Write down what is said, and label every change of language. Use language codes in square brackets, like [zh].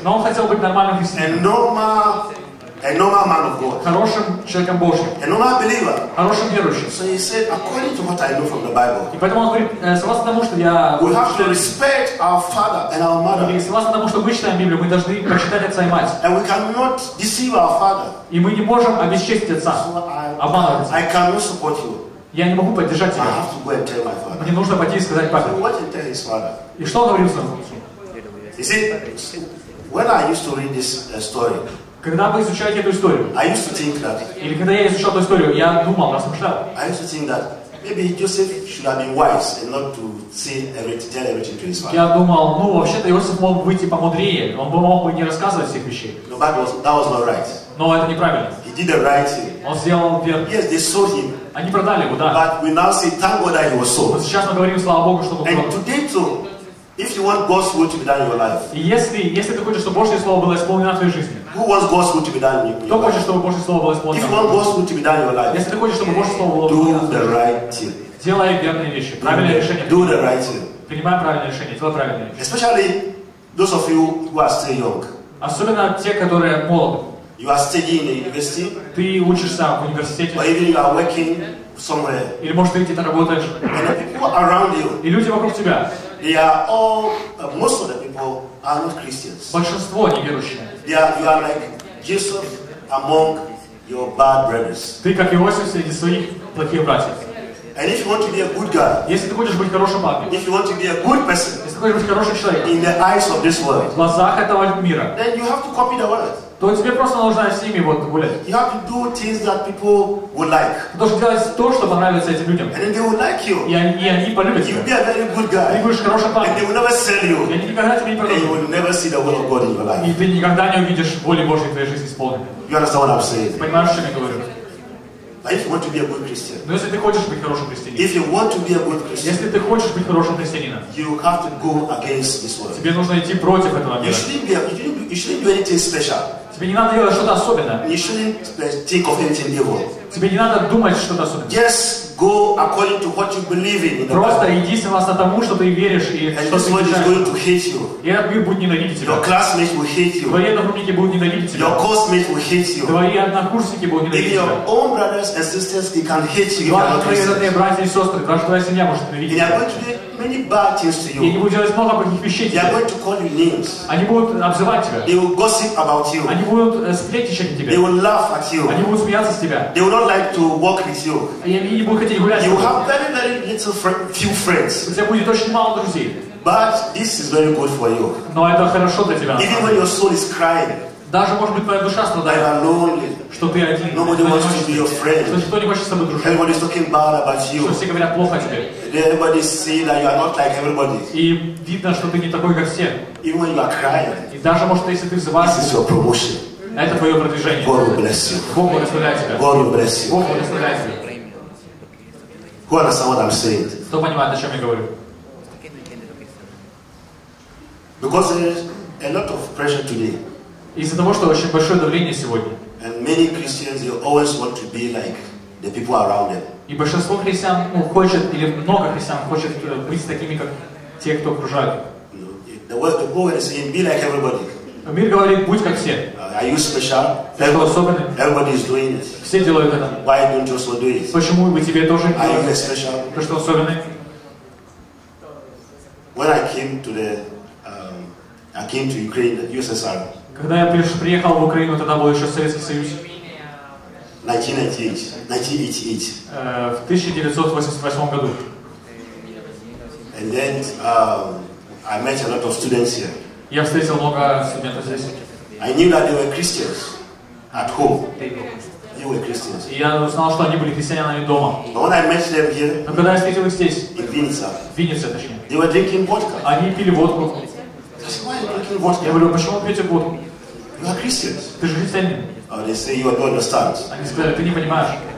[ru] Но он хотел быть нормальным христианином. [en] A normal man of God. [ru] Хорошим человеком Божьим. [en] A normal believer. [ru] Хорошим верующим. [en] So he said, according to what I know from the Bible. [ru] И поэтому он говорит, согласно тому, что я. [en] We have to respect our father and our mother. [ru] И согласно тому, что мы читаем Библию, мы должны почитать отца и мать. [en] And we cannot deceive our father. [ru] И мы не можем обесчестить отца. Обманывать отца. [en] I cannot support you. [ru] Я не могу поддержать тебя. [en] I have to go and tell my father. [ru] Мне нужно пойти и сказать папе. [en] So what did he tell his father? [ru] И что он говорил сам? [en] You see, when I used to read this story. [ru] Когда вы изучаете эту историю, или когда я изучал эту историю, я думал, размышлял. [en] I used to think that maybe Joseph should have been wise and not to tell everything to his father. [ru] Я думал, ну вообще-то Иосиф мог бы выйти помудрее, он бы мог бы не рассказывать всех вещей. [en] No, that was not right. [ru] Но это неправильно. [en] He did the right thing. [ru] Он сделал верно. [en] Yes, they sold him. [ru] Они продали его, да. [en] But we now say thank God that he was sold. [ru] Но сейчас мы говорим слава Богу, что он продал. [en] And today too. If you want God's will to be done in your life. [ru] Если ты хочешь, чтобы Божье слово было исполнено в твоей жизни. [en] Who wants God's will to be done in your life? [ru] Кто хочет, чтобы Божье слово было исполнено? [en] If you want God's will to be done in your life. [ru] Если ты хочешь, чтобы Божье слово было исполнено. [en] Do the right thing. [ru] Делай верные вещи. Правильные решения. [en] Do the right thing. [ru] Принимай правильные решения. Делай правильные вещи. [en] Especially those of you who are still young. [ru] Особенно те, которые молоды. [en] You are studying in university. [ru] Ты учишься в университете. [en] Or even you are working somewhere. [ru] Или может ты где-то работаешь. [en] And the people around you. [ru] И люди вокруг тебя. [en] They are all. Most of the people are not Christians. [ru] Большинство неверующие. [en] They are. You are like Joseph among your bad brothers. [ru] Ты как Иосиф среди своих плохих братьев. [en] And if you want to be a good guy. [ru] Если ты хочешь быть хорошим парнем. [en] If you want to be a good person. [ru] Если ты хочешь быть хорошим человеком. [en] In the eyes of this world. [ru] В глазах этого мира. [en] Then you have to copy the world. [ru] То тебе просто нужно с ними вот гулять. [en] You have to do things that people would like. [ru] Ты должен делать то, что понравится этим людям. [en] And they would like you. [ru] И они полюбят тебя. [en] You'll be a very good guy. [ru] Ты будешь хорошим парнем. [en] And they will never sell you. [ru] И они никогда тебе не продадут. [en] And you will never see the will of God in your life. [ru] И ты никогда не увидишь воли Божьей в твоей жизни исполненной. [en] You understand what I'm saying? [ru] Понимаешь, о чем я говорю? [en] If you want to be a good Christian. [ru] Но если ты хочешь быть хорошим христианином. [en] If you want to be a good Christian. [ru] Если ты хочешь быть хорошим христианином. [en] You have to go against this world. [ru] Тебе нужно идти против этого мира. [en] You shouldn't do anything special. [ru] Тебе не надо делать что-то особенное. [en] You shouldn't think of anything evil. [ru] Тебе не надо думать что-то особенное. [en] Just go according to what you believe in. [ru] Просто иди согласно тому, что ты веришь и что ты знаешь. [en] And this world is going to hate you. [ru] И этот мир будет ненавидеть тебя. [en] Your classmates will hate you. [ru] Твои одногруппники будут ненавидеть тебя. [en] Your classmates will hate you. [ru] Твои однокурсники будут ненавидеть тебя. [en] Your own brothers and sisters can hate you. [ru] Твои родные братья и сестры, даже твоя семья может ненавидеть тебя. [en] Many bad things to you. [ru] И они будут делать много плохих вещей. [en] They are going to call you names. [ru] Они будут обзывать тебя. [en] They will gossip about you. [ru] Они будут сплетничать о тебе. [en] They will laugh at you. [ru] Они будут смеяться с тебя. [en] They will not like to walk with you. [ru] И они не будут хотеть гулять. [en] You have very very little few friends. [ru] У тебя будет очень мало друзей. [en] But this is very good for you. [ru] Но это хорошо для тебя. [en] Even when your soul is crying. [ru] Даже может быть твоя душа страдает. [en] I am lonely. [ru] Что ты один. [en] Nobody wants to be your friend. [ru] Что никто не хочет с тобой дружить. [en] Everybody is talking bad about you. [ru] Что все говорят плохо о тебе. [en] Everybody see that you are not like everybody. [ru] И видно, что ты не такой, как все. [en] Even when you are crying. [ru] И даже может если ты взываешь. [en] This is your promotion. [ru] Это твое продвижение. [en] God will bless you. [ru] Бог благословляет тебя. [en] God will bless you. [ru] Бог благословляет тебя. [en] Who understand what I'm saying? [ru] Кто понимает, о чем я говорю? [en] Because there is a lot of pressure today. [ru] Из-за того, что очень большое давление сегодня. [en] And many Christians, you always want to be like the people around them. [ru] И большинство христиан хочет, или много христиан хочет быть такими, как те, кто окружают. [en] The world is saying, be like everybody. [ru] Мир говорит, будь как все. [en] Are you special? Everybody is doing it. [ru] Все делают это. [en] Why don't you also do it? [ru] Почему бы тебе тоже? [en] Are you special? [ru] Ты что особенный? [en] When I came to the, I came to Ukraine, the USSR. [ru] Когда я приехал в Украину, тогда был еще Советский Союз. [en] 1988. [ru] В 1988 году. [en] And then I met a lot of students here. [ru] Я встретил много студентов здесь. [en] I knew that they were Christians at home. They were Christians. [ru] И я узнал, что они были христианами дома. [en] But when I met them here, [ru] но когда я встретил их здесь, [en] in Vinnytsia, [ru] Vinnytsia, точнее, [en] they were drinking vodka. [ru] Они пили водку. [en] Vodka. [ru] Я говорю, почему вы пьете водку? [en] You are Christians. [ru] Ты же христианин. [en] Oh, they say you don't understand. [ru] Они сказали, ты не понимаешь.